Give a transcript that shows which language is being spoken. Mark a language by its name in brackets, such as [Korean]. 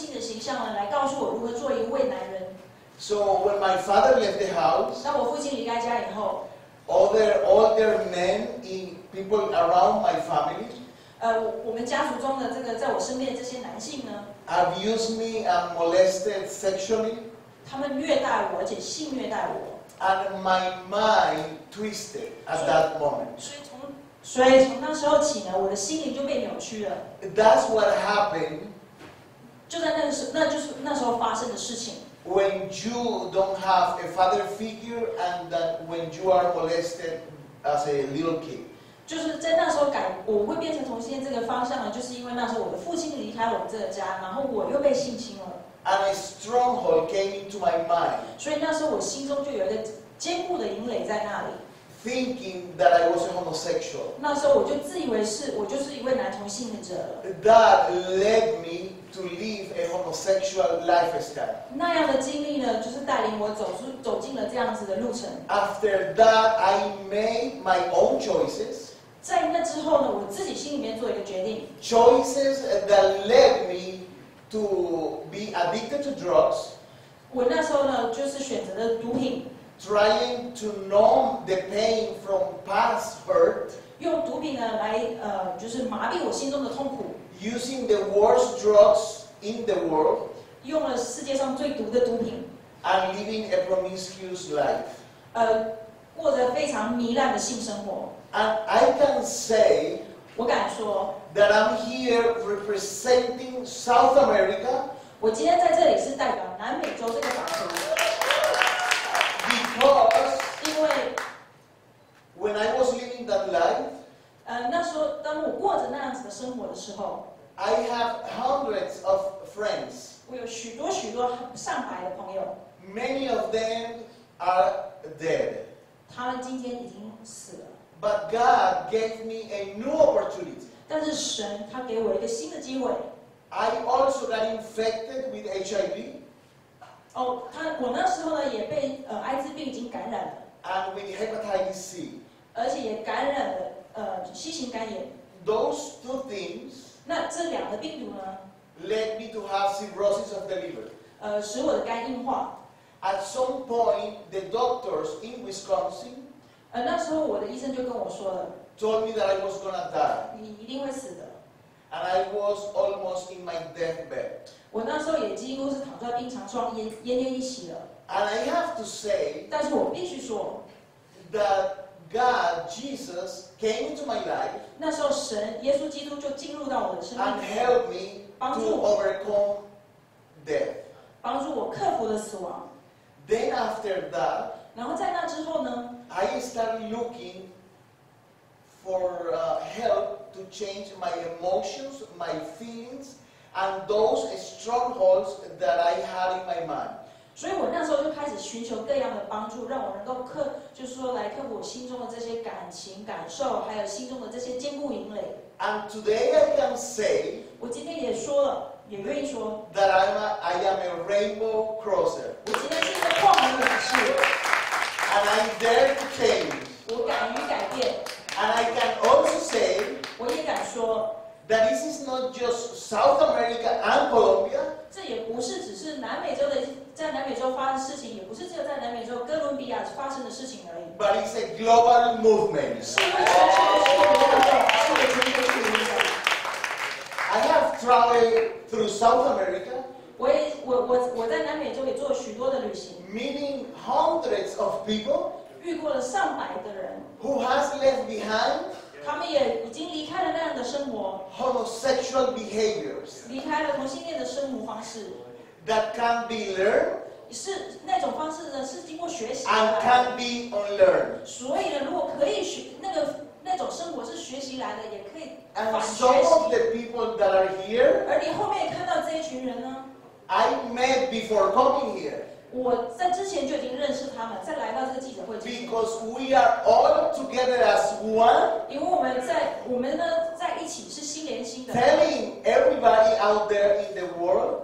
[Chinese] 所以我成长的过程一直都没有一个父亲的形象来告诉我如何做一位男人。 [English] So when my father left the house, [Chinese] 当我父亲离开家以后, [English] other men in people around my family. [Chinese] 我们家族中的这个在我身边的这些男性呢？ [English] Abused me and molested sexually. [Chinese] 他们虐待我，而且性虐待我。 [English] and my mind twisted at that moment. [Chinese] 所以从那时候起呢，我的心灵就被扭曲了。 [English] That's what happened. [Chinese] 就在那时，那就是那时候发生的事情。 [English] When you don't have a father figure, and that when you are molested as a little kid. [Chinese] 就是在那时候改，我会变成同性恋这个方向呢，就是因为那时候我的父亲离开了我们这个家，然后我又被性侵了。 [English] And a stronghold came into my mind. [Chinese] 所以那时候我心中就有一个坚固的营垒在那里。 [English] Thinking that I was a homosexual. [Chinese] 那时候我就自以为是，我就是一位男同性恋者。 [English] That led me to live a homosexual lifestyle. [Chinese] 那样的经历呢，就是带领我走进了这样子的路程。 [English] After that, I made my own choices. [Chinese] 在那之后呢，我自己心里面做一个决定。 [English] Choices that led me to be addicted to drugs. [Chinese] 我那时候呢，就是选择了毒品。 [English] Trying to numb the pain from past hurt. [Chinese] 用毒品呢来就是麻痹我心中的痛苦。 [English] Using the worst drugs in the world. [Chinese] 用了世界上最毒的毒品。 [English] And living a promiscuous life. [Chinese] 过着非常糜烂的性生活。 [English] And I can say, [Chinese] 我敢说 [English] that I'm here representing South America. [Chinese] 我今天在这里是代表南美洲这个岛屿。 [English] Because, [Chinese] 因为 [English] when I was living that life, [Chinese] 那时候当我过着那样子的生活的时候 [English] ，I have hundreds of friends. [Chinese] 我有许多许多上百的朋友。 [English] Many of them are dead. [Chinese] 他们今天已经死了。 [English] But God gave me a new opportunity. [Chinese] 但是神他给我一个新的机会。 [English] I also got infected with HIV. [Chinese] 哦，我那时候呢也被艾滋病已经感染了。 [English] And with hepatitis C. [Chinese] 而且也感染了C 型肝炎。 [English] Those two things. [Chinese] 那这两个病毒呢 [English] ？Led me to have cirrhosis of the liver. [Chinese] 使我的肝硬化。 [English] At some point, the doctors in Wisconsin. [Chinese] 那时候我的医生就跟我说了 [English] ，Told me that I was gonna die. [Chinese] 你一定会死的。 [English] And I was almost in my deathbed. [Chinese] 我那时候也几乎是躺在病床上奄奄一息了。 [English] And I have to say. [Chinese] 但是我必须说 [English] ，That God Jesus came into my life. [Chinese] 那时候神耶稣基督就进入到我的生命。 [English] And helped me to overcome death. [Chinese] 帮助我克服了死亡。 [English] Then after that. [Chinese] 然后在那之后呢？ [English] I started looking for help to change my emotions, my feelings, and those strongholds that I had in my mind. [Chinese] 所以我那时候就开始寻求各样的帮助，让我能够就是说来克服我心中的这些感情感受，还有心中的这些坚固营垒。 [English] And today I can say, [Chinese] 我今天也说了，也愿意说 [English] that I am a rainbow crosser. [Chinese] 我今天是一个光明勇士。 [English] And I dare to change. [Chinese] 我敢于改变。 [English] And I can also say. [Chinese] 我也敢说。 [English] That this is not just South America and Colombia. [Chinese] 这也不是只是南美洲的，在南美洲发生的事情，也不是只有在南美洲哥伦比亚发生的事情而已。 [English] But it's a global movement. [Chinese] 是一个全球的运动，是一个全球的运动。 [English] I have traveled through South America. [Chinese] 我在南美洲也做了许多的旅行。 [English] Meeting hundreds of people, [Chinese] 遇过了上百的人 [English] who has left behind, [Chinese] 他们也已经离开了那样的生活 [English] homosexual behaviors, [Chinese] 离开了同性恋的生活方式 [English] that can be learned, [Chinese] 是那种方式呢是经过学习 [English] and can be unlearned. [Chinese] 所以呢，如果可以学那种生活是学习来的，也可以 [English] and some of the people that are here, [Chinese] 而你后面看到这一群人呢 [English] I met before coming here. [Chinese] 我在之前就已经认识他们，在来到这个记者会之前。 [English] Because we are all together as one. [Chinese] 因为我们呢在一起是心连心的。 [English] Telling everybody out there in the world.